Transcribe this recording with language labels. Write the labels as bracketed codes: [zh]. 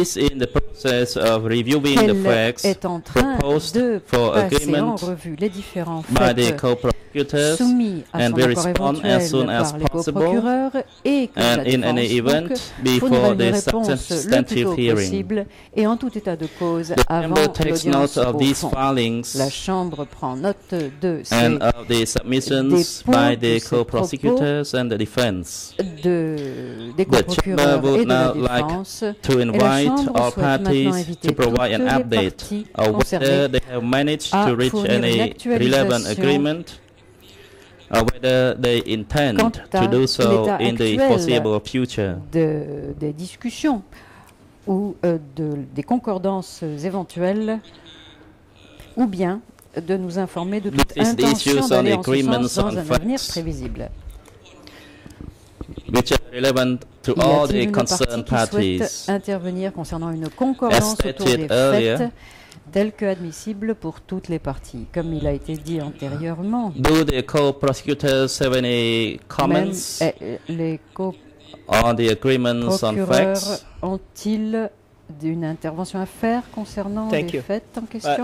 [fr] est en train de passer en revue les différents faits soumis à son accord éventuel par les coprocureurs et que la défense fournira une réponse le plus tôt possible et en tout état de cause avant l'audience au fond. La Chambre prend note de ces dépôts de ces procureur et de la défense, [en] to invite all parties to provide an update of whether they have managed to reach any relevant agreement or whether they intend to do so in the foreseeable future. [fr] Des discussions ou des concordances éventuelles ou bien de nous informer de toute intention d'aller en ce sens dans un avenir prévisible. [en] Which are relevant to all the concerned parties. [fr] Y a-t-il une partie qui souhaite intervenir concernant une concordance autour des faits telle que admissible pour toutes les parties, comme il a été dit antérieurement? [en] Do the co-prosecutors have any comments on the agreements on facts? [fr] Ont-ils d'une intervention à faire concernant les faits en question?